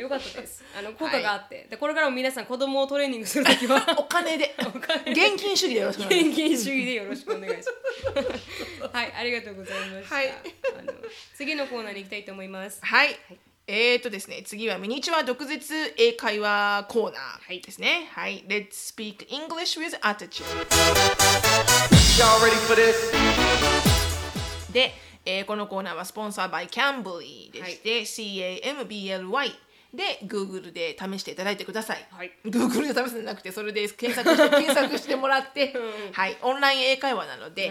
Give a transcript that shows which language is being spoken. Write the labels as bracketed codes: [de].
[ja] よかったです、あの効果があって、はい、でこれからも皆さん子供をトレーニングするときはお金で現金主義でよろしくお願いします、現金主義でよろしくお願いしますはい、ありがとうございました、はい、次のコーナーに行きたいと思います、はい、はい、ですね、次はミニチュア独舌英会話コーナーですね、はい、 [en] はい、Let's speak English with attitude. Y'all ready for this? [ja] で、このコーナーはスポンサー by Cambly でして、はい、CAMBLY で Google で試していただいてください、はい、 Google で試すんじゃなくてそれで検索してもらって、うん、はい、オンライン英会話なので、